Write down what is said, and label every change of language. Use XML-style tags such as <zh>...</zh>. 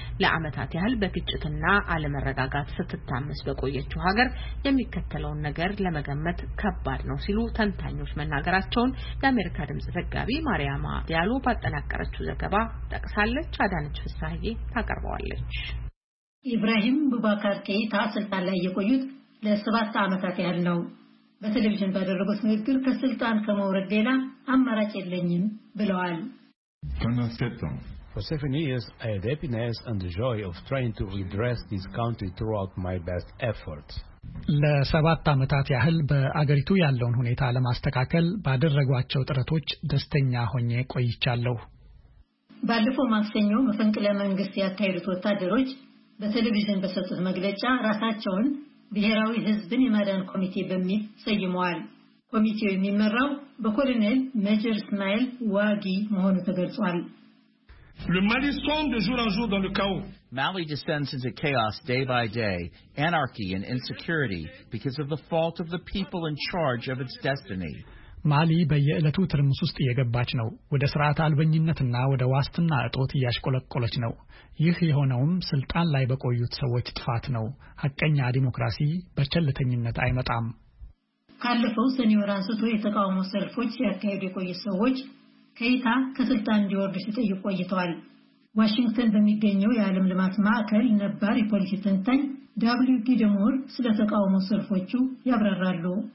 <am>ለአመታት ያህል በግጭትና አለመረጋጋት ስትታመስ በቆየችው ሀገር የሚከተለውን ነገር ለመገመት ከባድ ነው ሲሉ ተንታኞች መናገራቸውን የአሜሪካ ድምጽ ዘጋቢ ማርያማ ዲያሎ ባጠናቀረችው ዘገባ ጠቅሳለች። አዳነች ፍሳዬ ታቀርባለች። ኢብራሂም ቡአከር ኬታ ስልጣን ላይ የቆዩት ለ7 አመታት ያህል ነው። በቴሌቪዥን ባደረጉት ንግግር ከስልጣን ከመውረድ ሌላ አማራጭ የለኝም ብለዋል።</am> <en>For 7 years, I had happiness and the joy of trying to redress this country throughout my best efforts.</en> <am>ለሰባት አመታት ያህል በአገሪቱ ያለውን ሁኔታ ለማስተካከል ባደረጓቸው ጥረቶች ደስተኛ ሆኜ ቆይቻለሁ። ባለፈው ማክሰኞ መፈንቅለ መንግስት ያካሄዱት ወታደሮች በቴሌቪዥን በሰጡት መግለጫ ራሳቸውን ብሔራዊ ህዝብን የማዳን ኮሚቴ በሚል ሰይመዋል። ኮሚቴው የሚመራው በኮሎኔል ሜጀር ስማይል ዋጊ መሆኑ ተገልጿል።</am> <fr>Le Mali sombre de jour en jour dans le chaos.</fr> <en>Mali descends into chaos day by day, anarchy and insecurity because of the fault of the people in charge of its destiny.</en> <am>ማሊ በየዕለቱ ትርምስ ውስጥ እየገባች ነው። ወደ ስርዓት አልበኝነትና ወደ ዋስትና እጦት እያሽቆለቆለች ነው። ይህ የሆነውም ስልጣን ላይ በቆዩት ሰዎች ጥፋት ነው። ሀቀኛ ዲሞክራሲ በቸልተኝነት አይመጣም። ካለፈው ሰኔ ወር አንስቶ የተቃውሞ ሰልፎች ሲያካሄዱ የቆዩት ሰዎች ከይታ ከስልጣን እንዲወርድ ሲጠይቁ ቆይተዋል። ዋሽንግተን በሚገኘው የዓለም ልማት ማዕከል ነባር የፖሊሲ ተንታኝ ዳብሊው ጊደሞር ስለተቃውሞ ሰልፎቹ ያብራራሉ።</am>